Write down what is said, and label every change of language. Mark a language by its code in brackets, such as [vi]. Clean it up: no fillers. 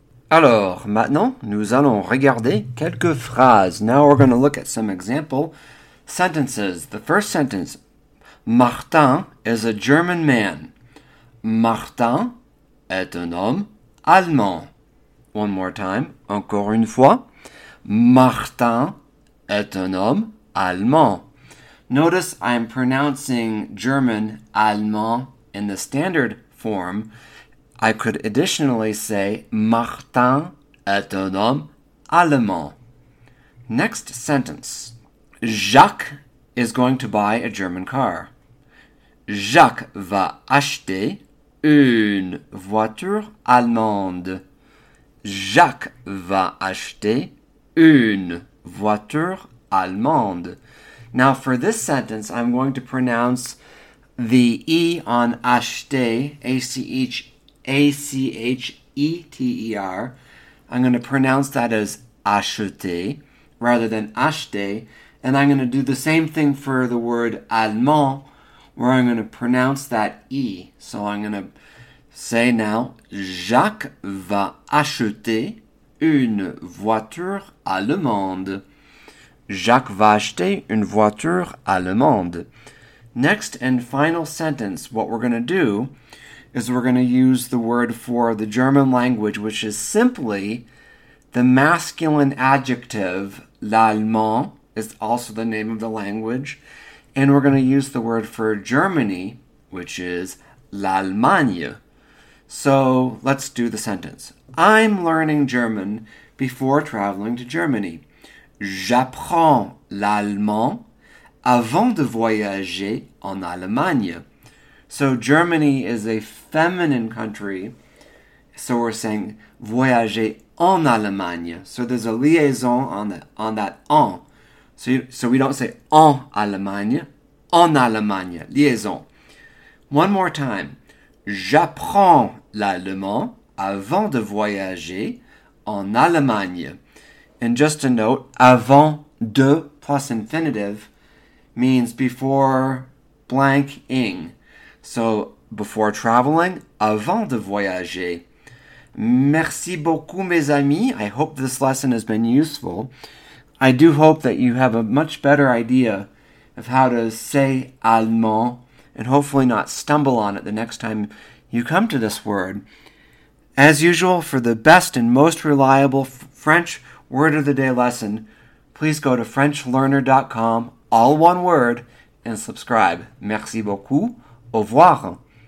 [fr] Alors, maintenant, nous allons regarder quelques phrases. [en] Now we're going to look at some example sentences. The first sentence, Martin is a German man. [fr] Martin est un homme allemand. [en] One more time, [fr] encore une fois. Martin est un homme allemand. [en] Notice I am pronouncing German, allemand, in the standard form. I could additionally say, [fr] Martin est un homme allemand. [en] Next sentence. Jacques is going to buy a German car. [fr] Jacques va acheter une voiture allemande. Jacques va acheter une voiture allemande. [en] Now, for this sentence, I'm going to pronounce the E on acheter, A-C-H-E. A-C-H-E-T-E-R. I'm going to pronounce that as acheter rather than acheter. And I'm going to do the same thing for the word allemand, where I'm going to pronounce that E. So I'm going to say now, [fr] Jacques va acheter une voiture allemande. [en] Jacques va acheter une voiture allemande. Next and final sentence, what we're going to do is we're going to use the word for the German language, which is simply the masculine adjective, l'allemand, is also the name of the language. And we're going to use the word for Germany, which is l'Allemagne. So let's do the sentence. I'm learning German before traveling to Germany. [fr] J'apprends l'allemand avant de voyager en Allemagne. [en] So Germany is a feminine country, so we're saying [fr] voyager en Allemagne. [en] So there's a liaison on that en. So we don't say [fr] en Allemagne, [en] liaison. One more time. [fr] J'apprends l'allemand avant de voyager en Allemagne. [en] And just a note, avant de plus infinitive means before blanking. So, before traveling, [fr] avant de voyager. Merci beaucoup, mes amis. [en] I hope this lesson has been useful. I do hope that you have a much better idea of how to say allemand and hopefully not stumble on it the next time you come to this word. As usual, for the best and most reliable French Word of the Day lesson, please go to FrenchLearner.com, all one word, and subscribe. [fr] Merci beaucoup. Au revoir.